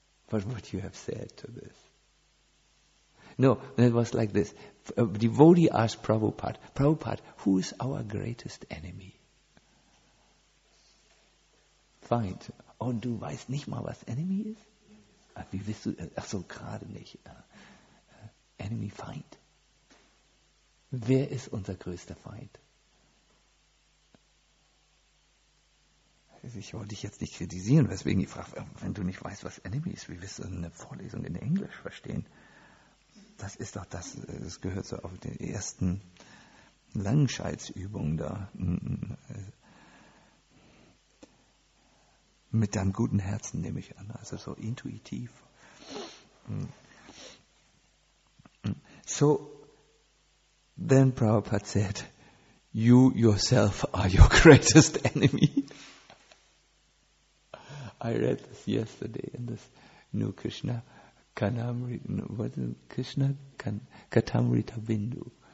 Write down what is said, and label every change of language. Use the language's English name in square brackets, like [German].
[English] What would you have said to this? No, it was like this. A devotee asked Prabhupada, Prabhupada, who is our greatest enemy? Fine. [German] Oh, du weißt nicht mal, was enemy is? Wie bist du? Ach so, gerade nicht. Enemy, Feind. Wer ist unser größter Feind? Ich wollte dich jetzt nicht kritisieren, weswegen ich frage, wenn du nicht weißt, was Enemy ist, wie willst du eine Vorlesung in Englisch verstehen? Das ist doch das, das gehört so auf den ersten Langscheidsübungen da. Mit deinem guten Herzen nehme ich an, also so intuitiv. [English] So, then Prabhupada said, you yourself are your greatest enemy. I read this yesterday in this new Krishna Kanamrita, Krishna Katamrita Bindu.